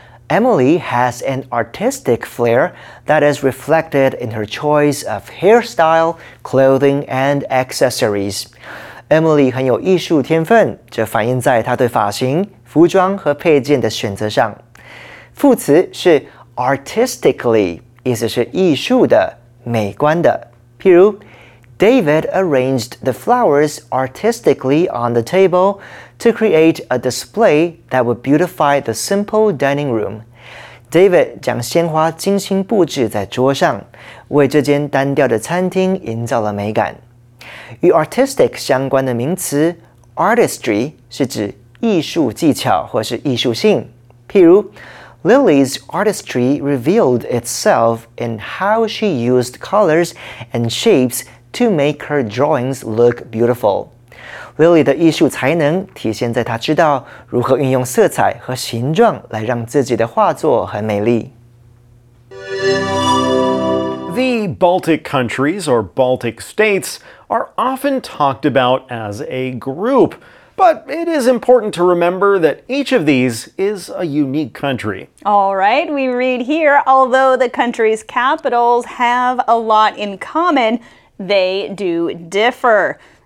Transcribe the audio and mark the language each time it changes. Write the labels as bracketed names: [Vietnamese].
[English] Emily has an artistic flair that is reflected in her choice of hairstyle, clothing, and accessories. [Chinese] Emily 很有艺术天分，这反映在她对发型、服装和配件的选择上。副词是 artistically， 意思是艺术的、美观的。譬如 [English] David arranged the flowers artistically on the table to create a display that would beautify the simple dining room. [Chinese] David 将鲜花精心布置在桌上，为这间单调的餐厅营造了美感。与 artistic 相关的名词 artistry 是指艺术技巧或是艺术性。譬如 [English] Lily's artistry revealed itself in how she used colors and shapesto make her drawings look beautiful. [Chinese] Lily 的艺术才能体现在她知道如何运用色彩和形状来让自己的画作很美丽。 [English] The Baltic countries, or Baltic states, are often talked about as a group, but it is important to remember that each of these is a unique country. All right, we read here, although the country's capitals have a lot in common,They do differ.